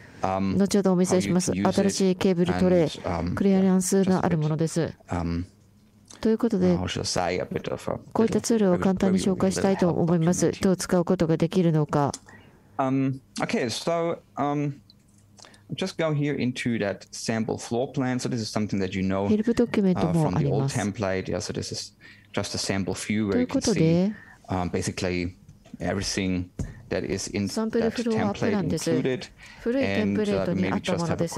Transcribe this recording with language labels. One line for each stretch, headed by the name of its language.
Japanese: 後ほどお見せします。新しいケーブルトレー、クリアランスがあるものです。ということで、こういったツールを簡単に紹介したいと思います。どう使うことができるのか。
English: Just go here into that sample floor plan. So this is something that you know from the old template. Yeah, so this is just a sample view where you can see basically everything. That is in
Japanese: サンプルフロアプランです。古いテンプレートにあったものです。